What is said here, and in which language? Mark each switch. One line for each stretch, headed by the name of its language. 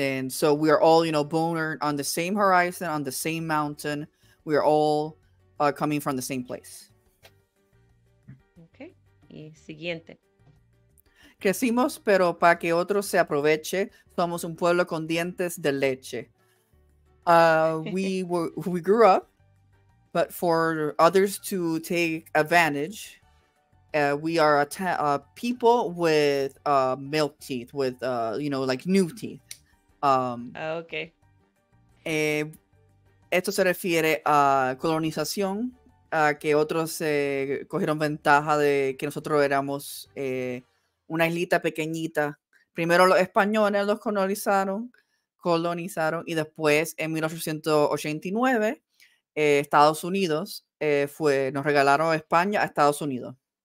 English: And so we are all, you know, born on the same horizon, on the same mountain. We are all coming from the same place.
Spanish: Okay. Y siguiente. Crecimos, pero para que otro se aproveche, somos un pueblo con dientes de leche.
English: We grew up, but for others to take advantage, we are a people with milk teeth, with, you know, like new teeth. Okay.
Spanish: Esto se refiere a colonización, a que otros cogieron ventaja de que nosotros éramos una islita pequeñita. Primero los españoles los colonizaron y después en 1889 Estados Unidos nos regalaron España a Estados Unidos.